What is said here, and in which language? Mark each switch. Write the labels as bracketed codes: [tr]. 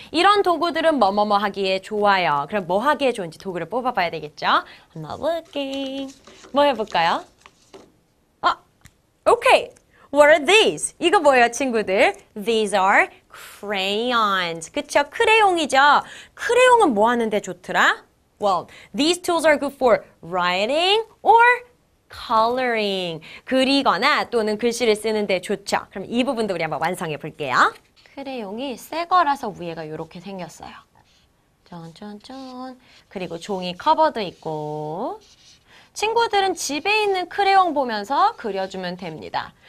[ko] 이런 도구들은 뭐뭐뭐 하기에 좋아요. 그럼 뭐 하기에 좋은지 도구를 뽑아봐야 되겠죠? [en] I'm not looking. [ko] 뭐 해볼까요? [en] 오케이. What are these? [ko] 이거 뭐예요, 친구들? [en] These are crayons. [ko] 그쵸? 크레용이죠? 크레용은 뭐 하는데 좋더라? [en] Well, these tools are good for writing or coloring. [ko] 그리거나 또는 글씨를 쓰는 데 좋죠. 그럼 이 부분도 우리 한번 완성해 볼게요. 크레용이 새 거라서 위에가 이렇게 생겼어요. 쫀쫀쫀. 그리고 종이 커버도 있고. 친구들은 집에 있는 크레용 보면서 그려주면 됩니다.